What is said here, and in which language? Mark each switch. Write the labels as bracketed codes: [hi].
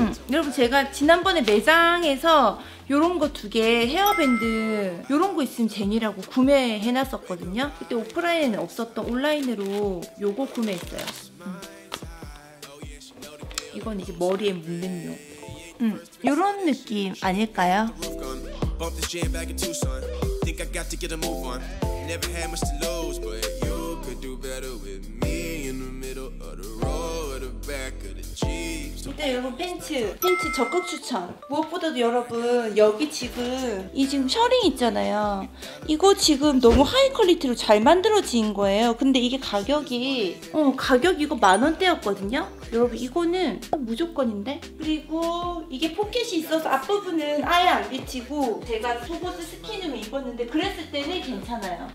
[ko] 여러분 제가 지난번에 매장에서 요런 거 두 개 헤어밴드 요런 거 있으면 제니라고 구매해놨었거든요. 그때 오프라인에는 없었던 온라인으로 요거 구매했어요. 이건 이제 머리에 묶는 요 요런 느낌 아닐까요? [en] Bump this jam back in Tucson. Think I got to get a move on. Never had much to lose, but you could do better with me in the middle of the road or the back of the Jeep. [ko] 일단 여러분 팬츠 적극 추천. 무엇보다도 여러분 여기 지금 셔링 있잖아요. 이거 지금 너무 하이 퀄리티로 잘 만들어진 거예요. 근데 이게 가격이 이거 만 원대였거든요. 여러분 이거는 무조건인데? 그리고 이게 포켓이 있어서 앞부분은 아예 안 비치고 제가 속옷을 스키닝을 입었는데 그랬을 때는 괜찮아요.